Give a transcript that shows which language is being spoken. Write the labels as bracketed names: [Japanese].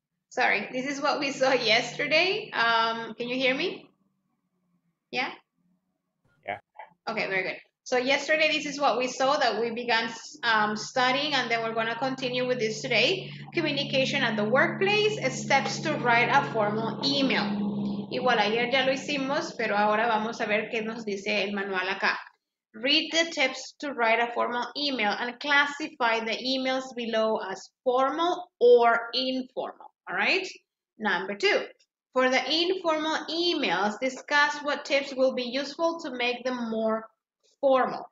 [English] Sorry, this is what we saw yesterday. Can you hear me? Yeah? Yeah. Okay, very good. So yesterday, this is what we saw that we began studying, and then we're gonna continue with this today. Communication at the workplace, steps to write a formal email. [Spanish] Igual, ayer ya lo hicimos, pero ahora vamos a ver qué nos dice el manual acá. [English] Read the tips to write a formal email and classify the emails below as formal or informal. All right, number two, for the informal emails, discuss what tips will be useful to make them more formal.